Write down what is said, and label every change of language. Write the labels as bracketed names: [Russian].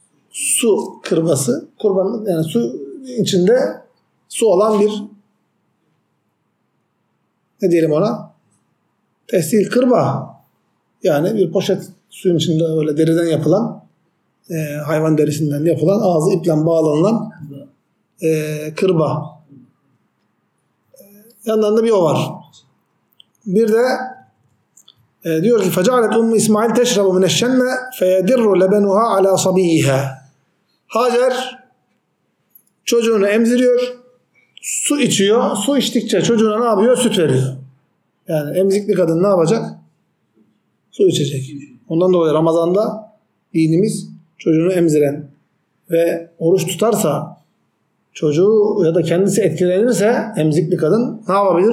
[Turkish] Su kırbası. Kurbanlık yani su içinde su olan bir ne diyelim ona? Tesir kırba. Yani bir poşet suyun içinde öyle deriden yapılan hayvan derisinden yapılan ağzı iple bağlanılan kırba. Yanlarında bir o var. Bir de diyor ki [Arabic] فَجَعَلَتْ اُمْ اِسْمَعِلْ تَشْرَبُ مِنَ الشَّنَّ فَيَدِرُّ لَبَنُهَا عَلَى صَبِيِّهَا. [Turkish] Hacer çocuğunu emziriyor, su içiyor, su içtikçe çocuğuna ne yapıyor? Süt veriyor. Yani emzikli kadın ne yapacak? Su içecek. Ondan dolayı Ramazan'da dinimiz çocuğunu emziren ve oruç tutarsa, çocuğu ya da kendisi etkilenirse emzikli kadın ne yapabilir?